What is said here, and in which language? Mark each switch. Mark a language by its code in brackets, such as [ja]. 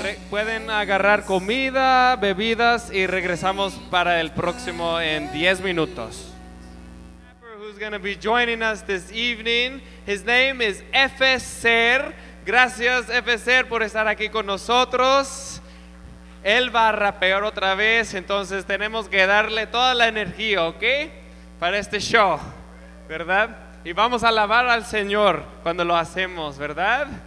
[es] Pueden agarrar comida, bebidas, y regresamos para el próximo en 10 minutos. [en] Who's going to be joining us this evening? His name is Efe Ser. [es] Gracias, Efe Ser, por estar aquí con nosotros. Él va a rapear otra vez, entonces tenemos que darle toda la energía, ¿ok? Para este show, ¿verdad? Y vamos a alabar al Señor cuando lo hacemos, ¿verdad?